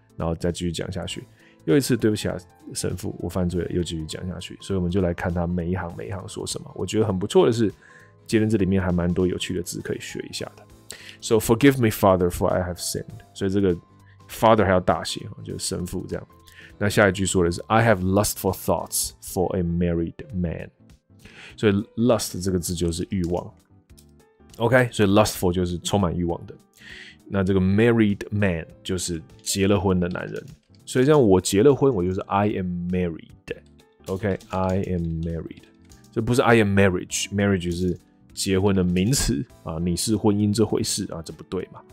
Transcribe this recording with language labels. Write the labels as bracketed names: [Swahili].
[Chinese] 然后再继续讲下去，又一次对不起啊，神父，我犯罪了，又继续讲下去。所以我们就来看他每一行每一行说什么。我觉得很不错的是。今天这里面还蛮多有趣的字可以学一下的。 [English] So forgive me, Father, for I have sinned。 [Chinese] 所以这个 Father 还要大写，就是神父这样。那下一句说的是 [English] I have lustful thoughts for a married man。 [Chinese] 所以 lust 这个字就是欲望。OK， 所以 lustful 就是充满欲望的。那这个 married man 就是结了婚的男人。所以像我结了婚，我就是 [English] I am married。OK， I am married。 [Chinese] 这不是 [English] I am marriage， [Chinese] marriage 是结婚的名词啊，你是婚姻这回事啊，这不对嘛？